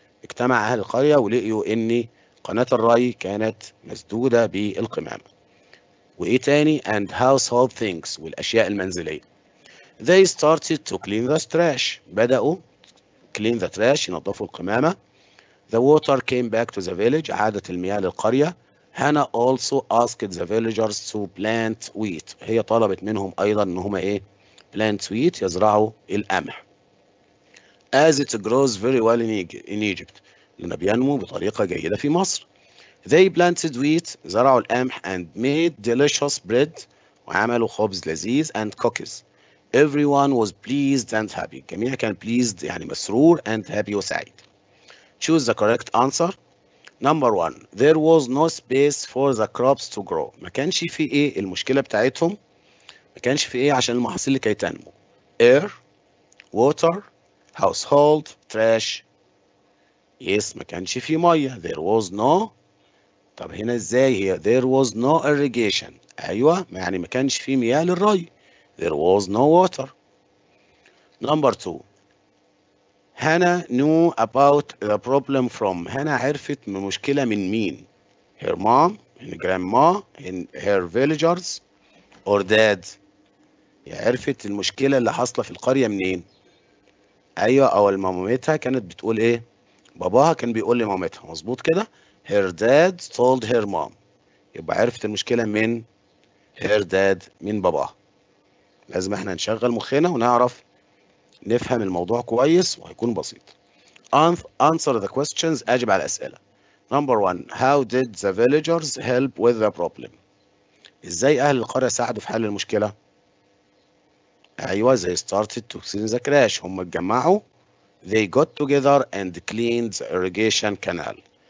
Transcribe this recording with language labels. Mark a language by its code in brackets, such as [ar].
[ar] اجتمع أهل القرية ولقيوا إن قناة الري كانت مسدودة بالقمامة. وإيه تاني؟ [en] And household things, [ar] والأشياء المنزلية. [en] They started to clean the trash. [ar] بدأوا [en] clean the trash, [ar] ينظفوا القمامة. [en] The water came back to the village. [ar] عادت المياه للقرية. [en] Hannah also asked the villagers to plant wheat. [ar] هي طلبت منهم أيضا إن هما إيه؟ [en] Plant wheat [ar] يزرعوا القمح. [en] As it grows very well in Egypt. [ar] لأنه بينمو بطريقة جيدة في مصر. [en] They planted wheat. [ar] زرعوا القمح [en] and made delicious bread. [ar] وعملوا خبز لذيذ [en] and cookies. Everyone was pleased and happy. [ar] الجميع كان [en] pleased [ar] يعني مسرور [en] and happy [ar] وسعيد. [en] Choose the correct answer. Number one, there was no space for the crops to grow. [ar] ما كانش في ايه المشكلة بتاعتهم؟ ما كانش في ايه عشان المحاصيل اللي كي تنمو. [en] Air, water, household, trash. Yes, [ar] ما كانش في مية. [en] There was no. [ar] طب هنا ازاي هي؟ [en] There was no irrigation. [ar] أيوة يعني ما كانش في مياه للري. [en] There was no water. Number two. Hannah knew about the problem from. Hannah [ar] عرفت من مشكلة من مين؟ [en] Her mom, her grandma, her villagers, or dad. [ar] عرفت المشكلة اللي حصل في القرية منين؟ أيوة أو مامتها كانت بتقول إيه؟ باباها كان بيقول لمامتها مظبوط كده؟ [en] Her dad told her mom. [ar] يبقى عرفت المشكلة من [en] her dad [ar] من باباها. لازم إحنا نشغل مخنا ونعرف نفهم الموضوع كويس وهيكون بسيط. [en] Answer the questions. [ar] أجب على الأسئلة. [en] Number one. How did the villagers help with the problem? [ar] إزاي أهل القرية ساعدوا في حل المشكلة؟ أيوة [en] they started to clean the trash. [ar] هم اتجمعوا. [en] They got together and cleaned the irrigation canal.